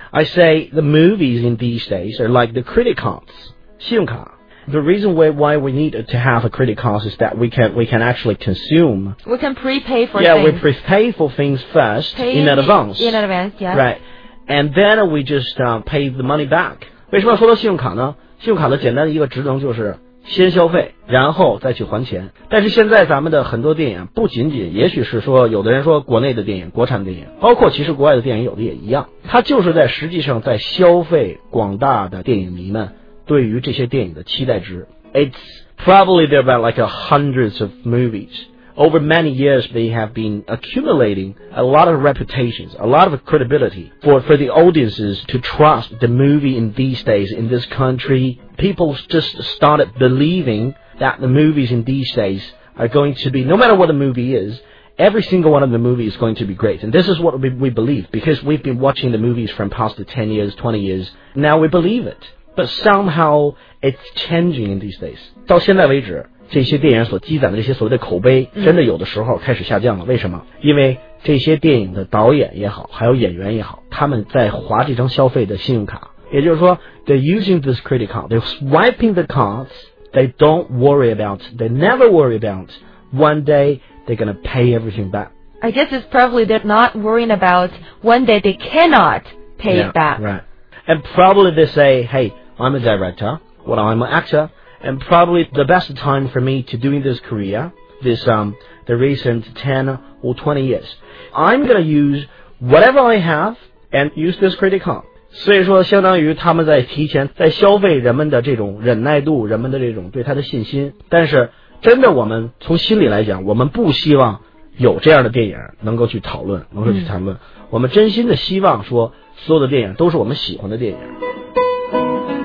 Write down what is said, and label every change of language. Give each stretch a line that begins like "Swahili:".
English: I say the movies in these days are like the credit cards,
Chinese: 信用卡。
English: The reason why we need to have a credit card is that we can actually consume, we can prepay for yeah, things yeah we prepay for things first、 pay、 in advance yeah right, and then we just、pay the money back.
Chinese: 为什么要说到信用卡呢？信用卡的简单的一个职能就是先消费然后再去还钱。但是现在咱们的很多电影不仅仅也许是说，有的人说国内的电影国产电影，包括其实国外的电影有的也一样，它就是在实际上在消费广大的电影迷们对于这些电影的期待值。
English: It's probably there about like hundreds of movies. Over many years they have been accumulating a lot of reputations, a lot of credibility for the audiences to trust the movie in these days in this country. People just started believing that the movies in these days are going to be, no matter what the movie is, every single one of the movies is going to be great. And this is what we believe, because we've been watching the movies from past the 10 years, 20 years. Now we believe it. But somehow it's changing in these days.
Chinese: 到现在为止，这些电影所积攒的这些所谓的口碑真的有的时候开始下降了。为什么？因为这些电影的导演也好还有演员也好，他们在划这张消费的信用卡，也就是说
English: they're using this credit card, they're swiping the cards, they don't worry about, they never worry about, one day they're gonna pay everything back. I guess it's probably they're not worrying about one day they cannot pay yeah, it back. Right. And probably they say, hey, I'm a director, well I'm an actor,And probably the best time for me to doing this career, this, the recent 10 or 20 years. I'm gonna use whatever I have and use this credit card.
Chinese: 所以说相当于他们在提前在消费人们的这种忍耐度，人们的这种对他的信心。但是真的我们从心里来讲，我们不希望有这样的电影能够去讨论，能够去谈论。我们真心的希望说所有的电影都是我们喜欢的电影。